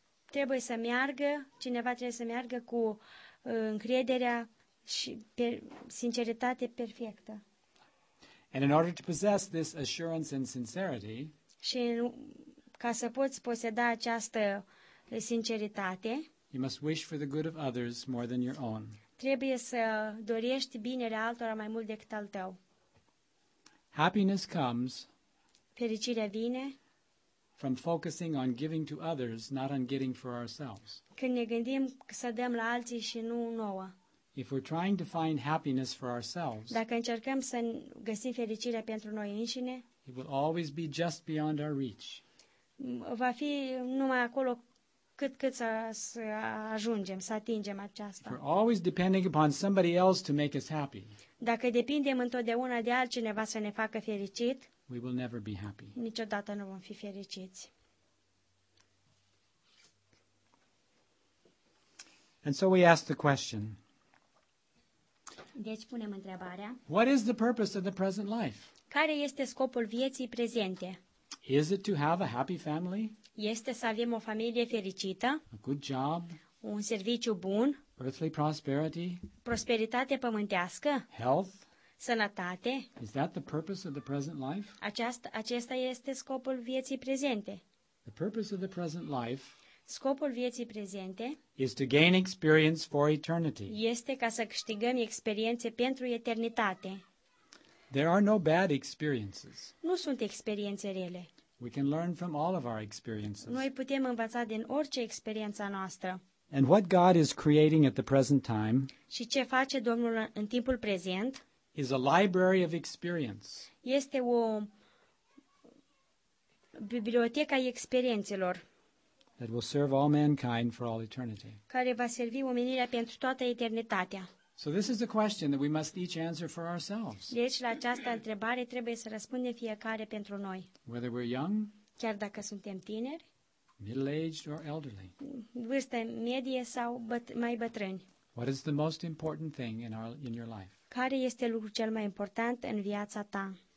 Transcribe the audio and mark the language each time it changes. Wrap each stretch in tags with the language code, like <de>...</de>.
<ro>Trebuie să meargă, cineva trebuie să meargă cu încrederea și sinceritate perfectă.</ro> <en>And in order to possess this assurance and sincerity,</en> <ro>și ca să poți poseda această sinceritate,</ro> <en>you must wish for the good of others more than your own.</en> <ro>Trebuie să dorești binele altora mai mult decât al tău.</ro> <en>Happiness comes.</en> <ro>Fericirea vine</ro> <en>from focusing on giving to others, not on getting for ourselves.</en> <ro>Când ne gândim să dăm la alții și nu nouă.</ro> <en>If we're trying to find happiness for ourselves,</en> <ro>dacă încercăm să găsim fericirea pentru noi înșine,</ro> <en>it will always be just beyond our reach.</en> <ro>Va fi numai acolo cât să ajungem, să atingem aceasta.</ro> <en>If we're always depending upon somebody else to make us happy.</en> <ro>Dacă depindem întotdeauna de altcineva să ne facă fericit,</ro> <en>we will never be happy.</en> <ro>Niciodată nu vom fi fericiți.</ro> <en>And so we ask the question.</en> <ro>Deci punem întrebarea.</ro> <en>What is the purpose of the present life?</en> <ro>Care este scopul vieții prezente?</ro> <en>Is it to have a happy family?</en> <ro>Este să avem o familie fericită?</ro> <en>A good job?</en> <ro>Un serviciu bun?</ro> <en>Earthly prosperity?</en> <ro>Prosperitate pământească?</ro> <en>Health?</en> <ro>Sănătate?</ro> <en>Is that the purpose of the present life?</en> <ro>Acesta este scopul vieții prezente.</ro> <en>The purpose of the present life?</en> <ro>Scopul vieții prezente?</ro> <en>Is to gain experience for eternity.</en> <ro>Este ca să câștigăm experiențe pentru eternitate.</ro> <en>There are no bad experiences.</en> <ro>Nu sunt experiențe rele.</ro> <en>We can learn from all of our experiences.</en> <ro>Noi putem învăța din orice experiență noastră.</ro> <en>And what God is creating at the present time?</en> <ro>Și ce face Domnul în timpul prezent?</ro> <en>Is a library of experience.</en> <ro>Este o bibliotecă a experiențelor.</ro> <en>That will serve all mankind for all eternity.</en> <ro>Care va servi omenirea pentru toată eternitatea.</ro> <en>So this is a question that we must each answer for ourselves.</en> <ro>Deci la această întrebare trebuie să răspundem fiecare pentru noi.</ro> <en>Whether we're young?</en> <ro>Chiar dacă suntem tineri?</ro> <en>Middle-aged or elderly?</en> <ro>Vârstă medie sau mai bătrâni?</ro> <en>What is the most important thing in your life?</en> <ro>Care este lucrul cel mai important în viața ta?</ro>